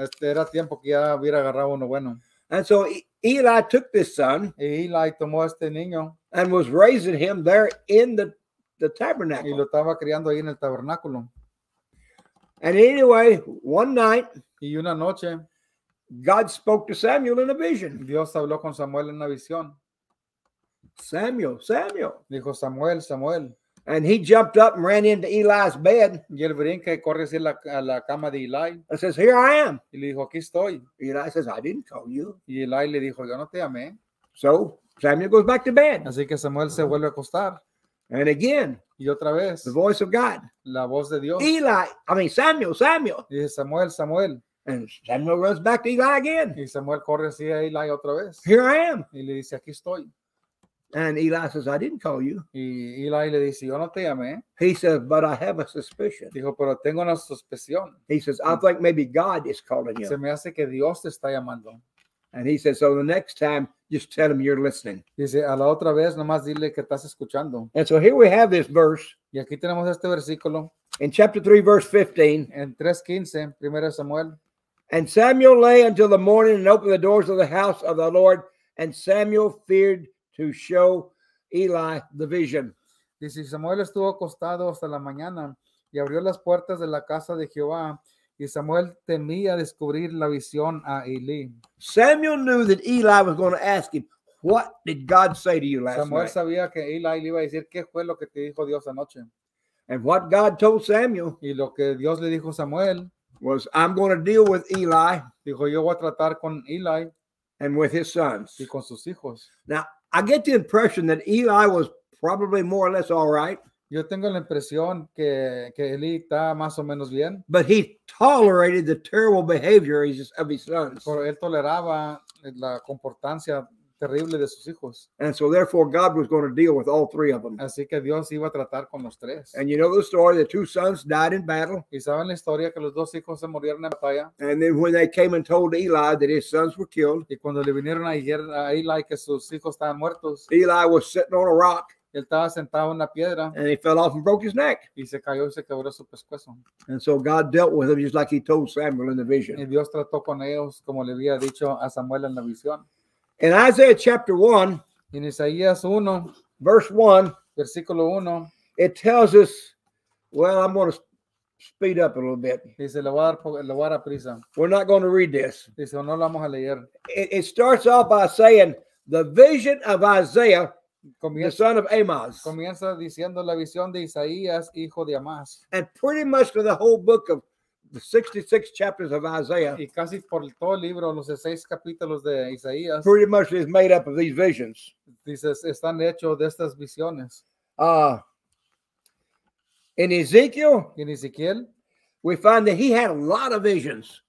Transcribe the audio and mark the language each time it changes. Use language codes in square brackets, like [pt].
[es] Era tiempo que ya hubiera agarrado uno bueno. [en] And so Eli took this son. [es] Y Eli tomó este niño. [en] And was raising him there in the tabernacle. [es] Y lo estaba criando ahí en el tabernáculo. [en] And anyway, one night. [es] Y una noche. [en] God spoke to Samuel in a vision. [es] Dios habló con Samuel en una visión. [en] Samuel, Samuel. [es] Dijo Samuel, Samuel. [en] And he jumped up and ran into Eli's bed. [es] Y él brinca y corre hacia la cama de Eli. [en] And says, here I am. [es] Y le dijo, aquí estoy. [en] Eli says, I didn't call you. [es] Y Eli le dijo, yo no te llamé. [en] So Samuel goes back to bed. [es] Así que Samuel se vuelve a acostar. [en] And again. [es] Y otra vez. [en] The voice of God. [es] La voz de Dios. [en] Eli, Samuel, Samuel. [es] Dice Samuel, Samuel. [en] And Samuel runs back to Eli again. [es] Y Samuel corre hacia Eli otra vez. [en] Here I am. [es] Y le dice, aquí estoy. [en] And Eli says, I didn't call you. [es] Y Eli le dice, yo no te llamé. [en] He says, but I have a suspicion. [es] Dijo, pero tengo una suspicion. [en] He says, I think maybe God is calling you. [es] Se me hace que Dios te está llamando. [en] And he says, so the next time, just tell him you're listening. [es] Dice, a la otra vez, nomás dile que estás escuchando. [en] And so here we have this verse. [es] Y aquí tenemos este versículo. [en] In chapter 3, verse 15. [es] En 3:15, 1 Samuel. [en] And Samuel lay until the morning and opened the doors of the house of the Lord. And Samuel feared to show Eli the vision. [es] Dice, Samuel estuvo acostado hasta la mañana y abrió las puertas de la casa de Jehová. Y Samuel temía descubrir la visión a Eli. [en] Samuel knew that Eli was going to ask him, what did God say to you last night? [es] Samuel sabía que Eli le iba a decir, ¿qué fue lo que te dijo Dios anoche? [en] And what God told Samuel. [es] Y lo que Dios le dijo a Samuel. [en] Was, I'm going to deal with Eli. [es] Dijo, yo voy a tratar con Eli. [en] And with his sons. [es] Y con sus hijos. [en] Now, I get the impression that Eli was probably more or less all right. [es] Yo tengo la impresión que Eli está más o menos bien. [en] But he tolerated the terrible behavior of his sons. [es] Pero él toleraba la comportancia terrible de sus hijos. [en] And so therefore God was going to deal with all three of them. [es] Así que Dios iba a tratar con los tres. [en] And you know the story, the 2 sons died in battle. [es] Y saben la historia que los 2 hijos se murieron en batalla. [en] And then when they came and told Eli that his sons were killed. [es] Y cuando le vinieron a decir a Eli que sus hijos estaban muertos. [en] Eli was sitting on a rock. [es] Él estaba sentado en la piedra. [en] And he fell off and broke his neck. [es] Y se cayó y se quebró su pescuezo. [en] And so God dealt with him just like he told Samuel in the vision. [es] Y Dios trató con ellos como le había dicho a Samuel en la visión. [en] In Isaiah chapter 1, [es] in Isaías 1, [en] verse 1, [es] versículo 1, [en] it tells us, well, I'm going to speed up a little bit. [es] Dice, lo voy a dar prisa. [en] We're not going to read this. [es] Dice, no lo vamos a leer. [en] It starts off by saying, the vision of Isaiah, [es] comienza, [en] the son of Amoz. [es] Comienza diciendo la visión de Isaías, hijo de Amós. [en] And pretty much for the whole book of the 66 chapters of Isaiah. [es] Y casi por todo el libro, los 6 capítulos de Isaías. [en] Pretty much is made up of these visions. [es] Dices, están hechos de estas visiones. [en] In Ezekiel. [es] En Ezequiel. [en] We find that he had a lot of visions.